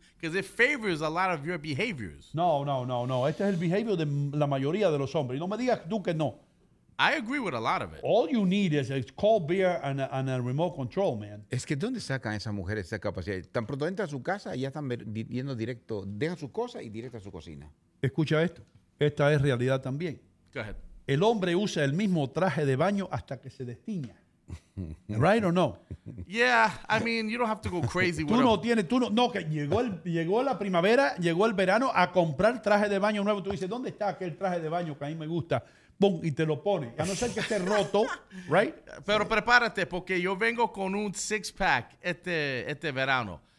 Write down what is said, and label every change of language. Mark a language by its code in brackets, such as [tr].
[en] Because it favors a lot of your behaviors. No. [es] Este es el behavior de la mayoría de los hombres. Y no me digas tú que no. [en] I agree with a lot of it. All you need is a cold beer and a remote control, man. [es] Es que ¿dónde sacan esas mujeres esa capacidad? Tan pronto entra a su casa y ya están yendo directo, dejan sus cosas y directo a su cocina. Escucha esto. Esta es realidad también. [en] Go ahead. [es] El hombre usa el mismo traje de baño hasta que se destiña. [en] Right or no? Yeah, I mean, you don't have to go crazy. [es] Tú no tienes, tú no, no, que llegó la primavera, llegó el verano a comprar traje de baño nuevo. Tú dices, ¿dónde está aquel traje de baño que a mí me gusta? Boom, y te lo pone. A no ser que esté roto, right? Pero prepárate, porque yo vengo con un six-pack este verano.